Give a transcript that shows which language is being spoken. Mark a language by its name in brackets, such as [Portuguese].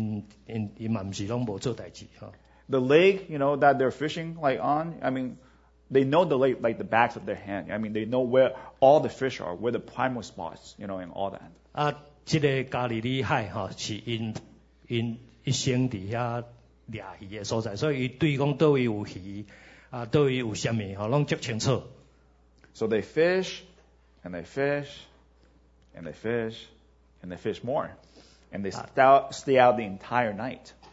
[Min Nan Chinese] 啊，当然，因所会晓做就是钓鱼，钓鱼啊，哈，所以因嘛唔是拢无做代志哈。 [English] The lake, you know, that they're fishing like on, I mean, they know the lake like the backs of their hand. I mean, they know where all the fish are, where the primal spots, you know, and all that. [Min Nan Chinese] 啊，这个加利利海哈，是因一生底下。抓鱼的所在，所以对于讲到底有鱼啊，到底有虾米，吼，拢足清楚。 [English] So they fish, and they fish, and they fish, and they fish more, and they stay out the entire night.